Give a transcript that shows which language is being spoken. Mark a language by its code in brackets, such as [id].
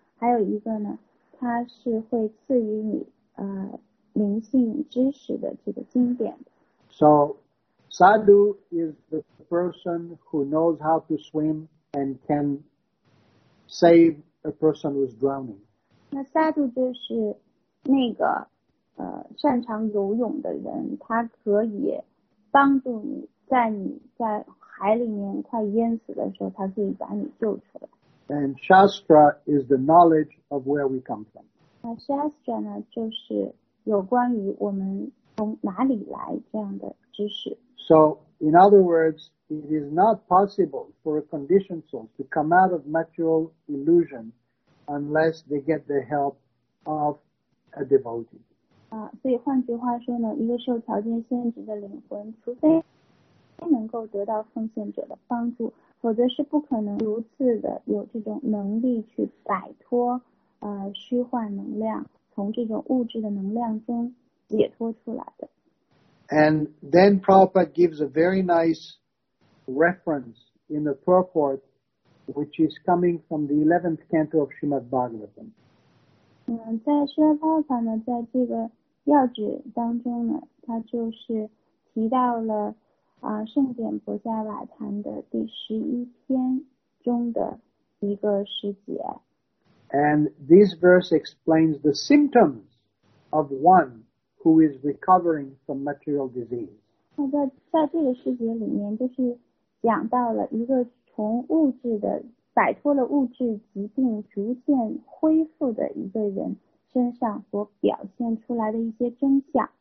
[zh] 还有一个呢他是会赐予你灵性知识的这个经典。 [en] So, sadhu is the person who knows how to swim,and can save a person who's drowning. [zh] 那 sadhu 就是那个擅长游泳的人，他可以帮助你在你在海里面快淹死的时候，他可以把你救出来。 [en] And Shastra is the knowledge of where we come from. [zh] 那 Shastra 呢，就是有关于我们从哪里来这样的知识。 [en] So, in other words, it is not possible for a conditioned soul to come out of material illusion unless they get the help of a devotee. [zh] 所以换句话说呢，一个受条件限制的灵魂，除非能够得到奉献者的帮助，否则是不可能如此的有这种能力去摆脱虚幻能量，从这种物质的能量中解脱出来的。 [en] And then Prabhupada gives a very nice reference in the purport, which is coming from the 11th canto of Srimad Bhagavatam. [zh] 在释迦牟尼佛呢，在这个要旨当中呢，他就是提到了。圣典婆伽瓦坛的第十一篇中的一个十节。 [en] And this verse explains the symptoms of one who is recovering from material disease. [zh] 在这个十节里面，就是讲到了一个从物质的摆脱了物质疾病，逐渐恢复的一个人身上所表现出来的一些征象。